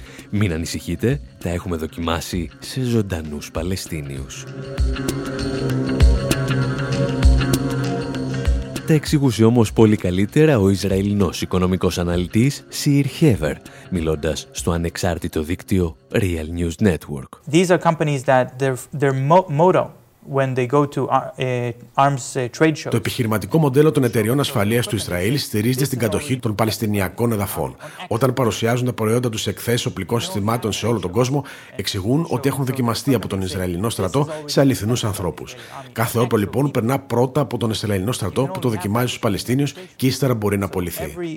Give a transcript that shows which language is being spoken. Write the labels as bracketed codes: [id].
[el] Μην ανησυχείτε, τα έχουμε δοκιμάσει σε ζωντανούς Παλαιστίνιους. Τα εξηγούσε όμως πολύ καλύτερα ο Ισραηλινός οικονομικός αναλυτής Σιρ Χέβερ, μιλώντας στο ανεξάρτητο δίκτυο Real News Network. [en] These are companies that their motto. When they go to arms trade shows. [el] Το επιχειρηματικό μοντέλο των εταιριών ασφαλείας του Ισραήλ στηρίζεται στην κατοχή των Παλαιστινιακών εδαφών. Όταν παρουσιάζουν τα προϊόντα τους σε εκθέσεις οπλικών συστημάτων σε όλο τον κόσμο, εξηγούν ότι έχουν δοκιμαστεί από τον Ισραηλινό στρατό σε αληθινούς ανθρώπους. Κάθε όπλο λοιπόν περνά πρώτα από τον Ισραηλινό στρατό που το δοκιμάζει στους Παλαιστίνιους και ύστερα μπορεί να πωληθεί.